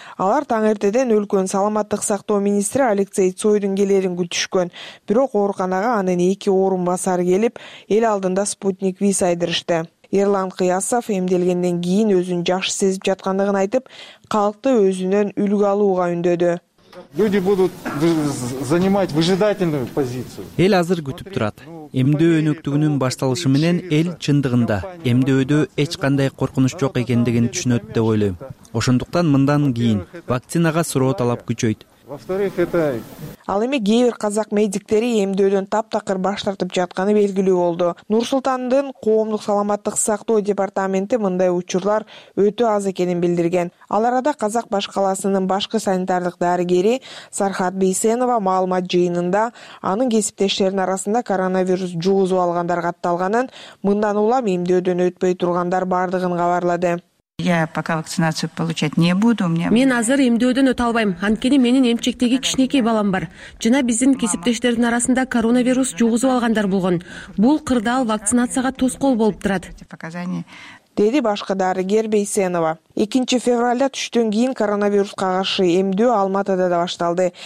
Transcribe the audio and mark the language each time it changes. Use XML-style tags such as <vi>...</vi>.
<ky>Алар таңертеден өлкөнүн саламаттык сактоо министри Алексей Цойдун келерин күтүшкөн. Бирок ооруканага анын эки орун басары келип, эл алдында спутник виз айдырышты. Ерлан Кыясов эмделгенден кийин өзүн жакшы сезип жаткандыгын айтып, калкты өзүнөн үлгү алууга үндөдү.</ky> <ru>Люди будут занимать выжидательную позицию.</ru> <ky>Эл азыр күтүп турат. Эмдөө өнөктүгүнүн башталышы менен эл чындыгында эмдөөдө эч кандай коркунуч жок экендигин түшүнөт деп ойлойм. Ошондуктан мындан кийин вакцинага суроо талап күчөйт. Ал эми кээ бир казак медиктери эмдөөдөн таптакыр баш тартып жатканы белгилүү болду. Нур-Султандын коомдук саламаттык сактоо департаменти мындай учурлар өтө аз экенин билдирген. Ал арада Казак баш калаасынын башкы санитардык дарыгери Сархат Бейсенова маалымат жыйынында анын кесиптештеринин арасында коронавирус жугузуп алгандар катталганын, мындан улам эмдөөдөн өтпөй тургандар бардыгын кабарлады.</ky> <ru>Я пока вакцинацию получать не буду.</ru> <ky>Мен азыр эмдөөдөн өтө албайм. Анткени менин эмчектеги кичинекей балам бар. Жана биздин кесиптештердин арасында коронавирус жугузуп алгандар болгон. Бул кырдаал вакцинацияга тоскоол болуп турат. Деди башкы дарыгер Бейсенова. 2 февралда түштөн кийин коронавируска каршы эмдөө Алматыда да башталды.</ky>